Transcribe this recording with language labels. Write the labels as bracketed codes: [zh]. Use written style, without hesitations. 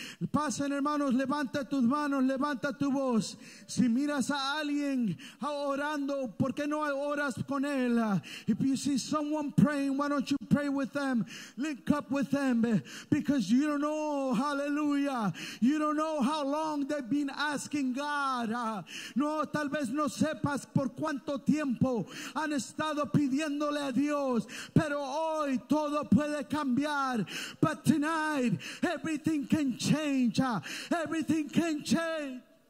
[es] Pasen hermanos, levanta tus manos, levanta tu voz. Si miras a alguien orando, ¿por qué no oras con él? [en] If you see someone praying, why don't you pray with them? Link up with them. Because you don't know, hallelujah, you don't know how long they've been asking God. [es] No, tal vez no sepas por cuánto tiempo han estado pidiéndole a Dios, pero hoy todo puede cambiar. [en] But tonight, everything can change. Everything can change.